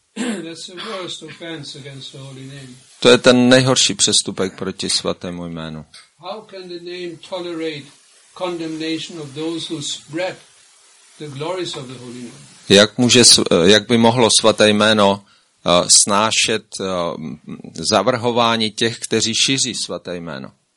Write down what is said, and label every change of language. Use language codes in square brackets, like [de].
[en] That's the worst offense against the holy name. [cs] To je ten nejhorší přestupek proti svatému jménu. [en] How can the name tolerate condemnation of those who spread the glories of the holy name? [cs] Jak by mohlo svaté jméno snášet zavrhování těch, kteří šíří svaté jméno?